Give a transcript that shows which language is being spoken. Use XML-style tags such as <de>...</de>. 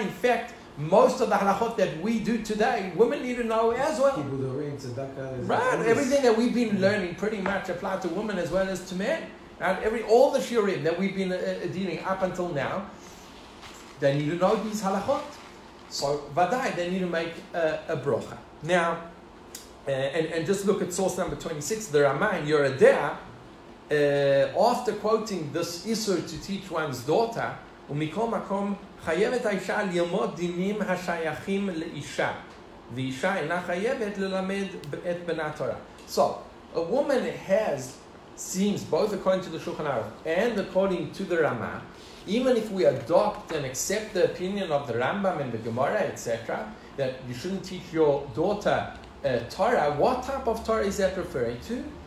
<en>In fact, most of the halachot that we do today, women need to know as well. Right, everything that we've been learning pretty much applied to women as well as to men. And all the shiurim that we've been dealing up until now, they need to know these halachot. So, vadai, they need to make a brocha. Now, and just look at source number 26, the Ramayan, Yeridah, after quoting this issur to teach one's daughter,</en> <he>ומכל מקום חייבת האישה ללמוד דינים השייכים לאישה, ואישה אינה חייבת ללמד את בנה תורה.</he> <en>So, a woman seems, both according to the Shulchan Aruch and according to the Rama, even if we adopt and accept the opinion of the Rambam and the Gemara, etc., that you shouldn't teach your daughter Torah, what type of Torah is that referring to?</en>